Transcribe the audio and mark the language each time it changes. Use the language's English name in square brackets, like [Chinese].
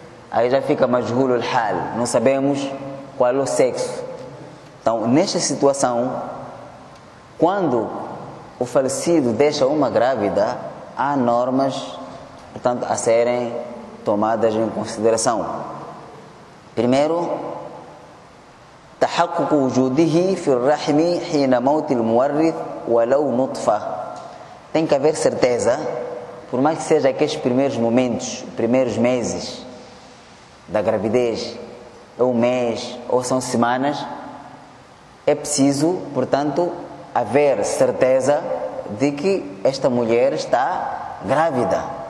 [Portuguese] Aí já fica mais julho hal, não sabemos qual é o sexo. Então, nesta situação, quando o falecido deixa uma grávida, há normas, portanto, a serem tomadas em consideração. Primeiro, [Arabic] تحقق وجوده في الرحم حين موت المورث ولو نطفة. [Portuguese] Tem que haver certeza, por mais que seja aqueles primeiros momentos, primeiros meses da gravidez, ou mês, ou são semanas, é preciso, portanto, haver certeza de que esta mulher está grávida.